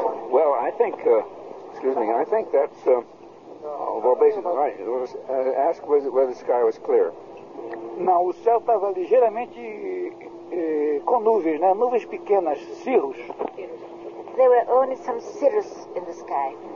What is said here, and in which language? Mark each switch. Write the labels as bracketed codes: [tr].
[en] Well, I think, I think that's, well, basically, right. It was, ask whether the sky was clear. [pt] Não, o céu estava ligeiramente com nuvens, né? Nuvens pequenas, cirros. [en] There were only some cirrus in the sky.